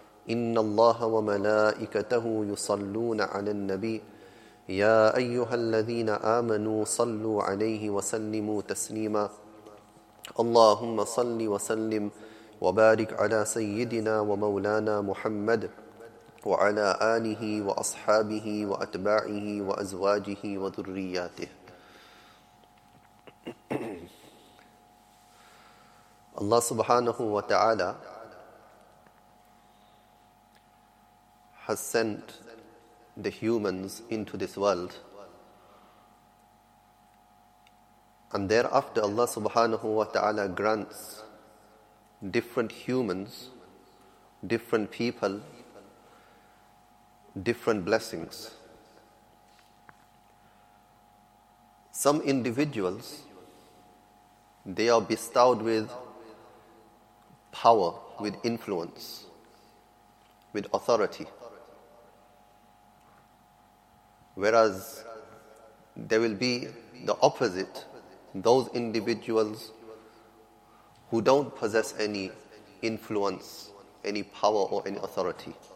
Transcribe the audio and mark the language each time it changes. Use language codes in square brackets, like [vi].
[ar] ان الله وملائكته يصلون على النبي، يا ايها الذين امنوا صلوا عليه وسلموا تسليما. اللهم صل وسلم وبارك على سيدنا ومولانا محمد وعلى اله واصحابه واتباعه وازواجه وذرياته. [en] Allah சுப்ஹானஹு வ தஆலா has sent the humans into this world and thereafter Allah சுப்ஹானஹு வ தஆலா grants different humans, different people, different blessings. Some individuals, they are bestowed with power, with influence, with authority, whereas there will be the opposite, those individuals who don't possess any influence, any power or any authority.